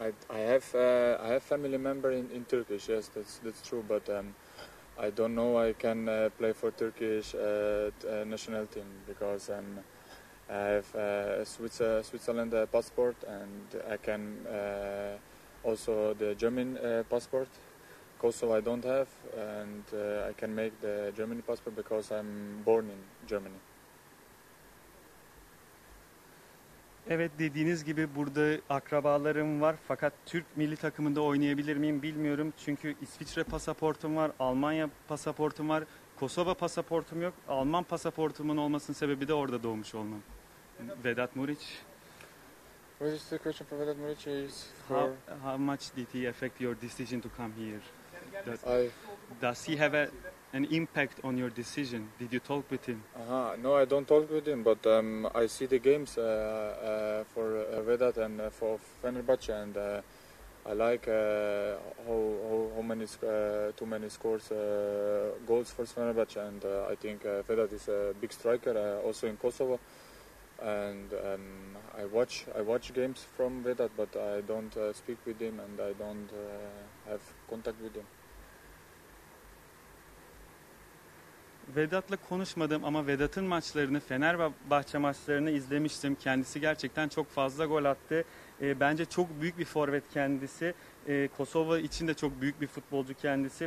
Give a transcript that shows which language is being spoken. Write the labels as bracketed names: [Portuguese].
[English] I have family member in Turkish, yes, that's true, but I don't know I can play for Turkish national team because I have Switzerland passport, and I can also the German passport. Kosovo I don't have, and I can make the Germany passport because I'm born in Germany. [Turkish] Evet, dediğiniz gibi burada akrabalarım var, fakat Türk milli takımında oynayabilir miyim bilmiyorum. Çünkü İsviçre pasaportum var, Almanya pasaportum var, Kosova pasaportum yok. Alman pasaportumun olmasının sebebi de orada doğmuş olmam. Vedat Muriç. [English] What is the question for Vedat Muriç? How much did he affect your decision to come here? Does he have an impact on your decision? Did you talk with him? No, I don't talk with him, but I see the games for Vedat and for Fenerbahce, and I like how many scores goals for Fenerbahce, and I think Vedat is a big striker also in Kosovo, and I watch games from Vedat, but I don't speak with him and I don't have contact with him. [Turkish] Vedat'la konuşmadım ama Vedat'ın maçlarını, Fenerbahçe maçlarını izlemiştim. Kendisi gerçekten çok fazla gol attı. Bence çok büyük bir forvet kendisi. Kosova için de çok büyük bir futbolcu kendisi.